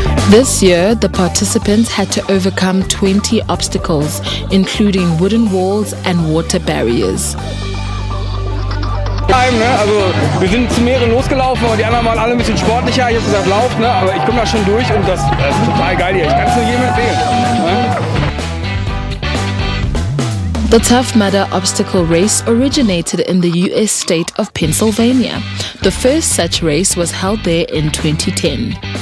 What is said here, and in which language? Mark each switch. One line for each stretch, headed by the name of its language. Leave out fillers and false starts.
English: This year, the participants had to overcome 20 obstacles, including wooden walls and water barriers.
German: Also wir sind zu mehreren losgelaufen, aber die anderen waren alle ein bisschen sportlicher. Ich habe gesagt, lauf, ne? Aber ich komme da schon durch und das ist total geil hier. Ich kann es nur jedem empfehlen.
English: The Tough Mudder obstacle race originated in the US state of Pennsylvania. The first such race was held there in 2010.